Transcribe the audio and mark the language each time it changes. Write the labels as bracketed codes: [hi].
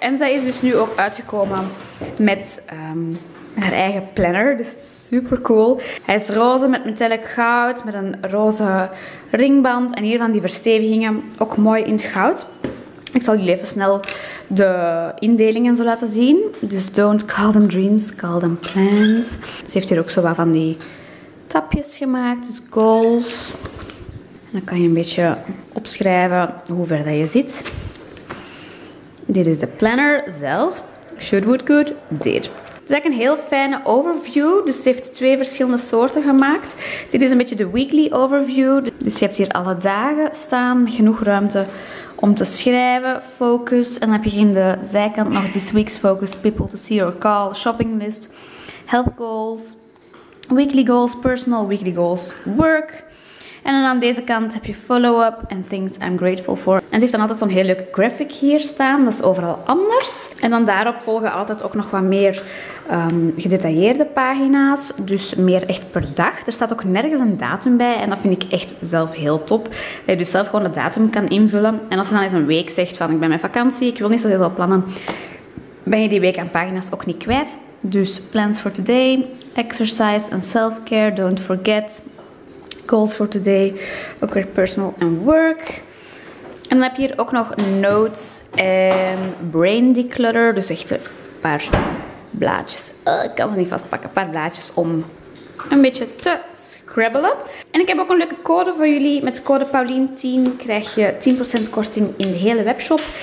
[nl] En zij is dus nu ook uitgekomen met haar eigen planner. Dus super cool. Hij is roze met metallic goud, met een roze ringband. En hier van die verstevigingen ook mooi in het goud. Ik zal jullie even snel de indelingen zo laten zien. [en] Dus don't call them dreams, call them plans. [nl] Ze heeft hier ook zo wat van die tapjes gemaakt, dus goals. En dan kan je een beetje opschrijven hoe ver dat je zit. Dit is de planner zelf. Should, would, could, did. Het is eigenlijk een heel fijne overview. Dus ze heeft twee verschillende soorten gemaakt. Dit is een beetje de weekly overview. Dus je hebt hier alle dagen staan met genoeg ruimte om te schrijven, focus. [en] En dan heb je in de zijkant nog this week's focus, people to see or call, shopping list, health goals, weekly goals, personal, weekly goals, work. [nl] En dan aan deze kant heb je follow-up en things I'm grateful for. En ze heeft dan altijd zo'n heel leuk graphic hier staan. Dat is overal anders. En dan daarop volgen altijd ook nog wat meer gedetailleerde pagina's. Dus meer echt per dag. Er staat ook nergens een datum bij. En dat vind ik echt zelf heel top. Dat je dus zelf gewoon de datum kan invullen. En als je dan eens een week zegt van ik ben met vakantie, ik wil niet zo heel veel plannen, ben je die week aan pagina's ook niet kwijt. [en] Dus plans for today, exercise and self-care, don't forget. Goals for today, ook weer personal and work. [nl] En dan heb je hier ook nog notes en brain declutter. Dus echt een paar blaadjes. Ik kan ze niet vastpakken. Een paar blaadjes om een beetje te scrabbelen. En ik heb ook een leuke code voor jullie. Met code Paulien10 krijg je 10% korting in de hele webshop.